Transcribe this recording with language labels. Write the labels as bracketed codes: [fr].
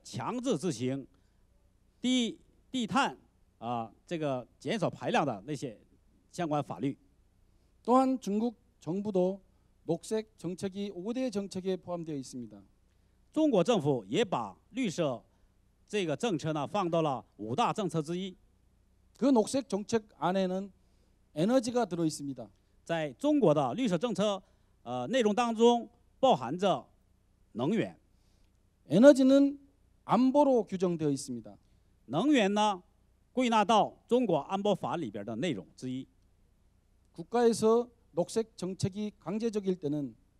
[zh] 大韩民国现在强制执行低碳。这个减少排量的那些相关法律。 [ko] 또한 중국 정부도 녹색 정책이 5대 정책에 포함되어 있습니다. [zh] 中国政府也把绿色这个政策呢放到了5大政策之一。 [ko] 그 녹색 정책 안에는 에너지가 들어 있습니다. [zh] 在中国的绿色政策内容当中包含着能源。 [ko] 에너지는 안보로 규정되어 있습니다. [zh] 能源呢？归纳到中国安保法里边的内容之一。 [ko] 국가에서 녹색 정책이 강제적일 때는